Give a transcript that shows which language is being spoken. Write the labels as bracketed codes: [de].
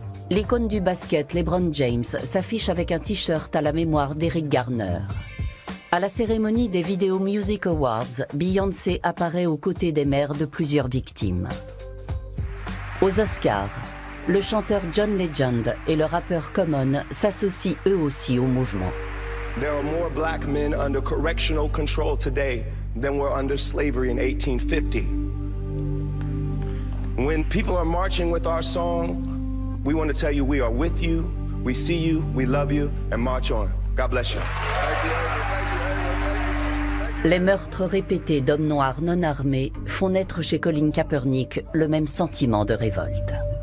[fr] L'icône du basket, LeBron James, s'affiche avec un t-shirt à la mémoire d'Eric Garner. À la cérémonie des Video Music Awards, Beyoncé apparaît aux côtés des mères de plusieurs victimes. Aux Oscars, le chanteur John Legend et le rappeur Common s'associent eux aussi au mouvement. [en] There are more black men under correctional control today than were under slavery in 1850. When people are marching with our song, we want to tell you we are with you, we see you, we love you, and march on. God bless you. [fr] Les meurtres répétés d'hommes noirs non armés font naître chez Colin Kaepernick le même sentiment de révolte.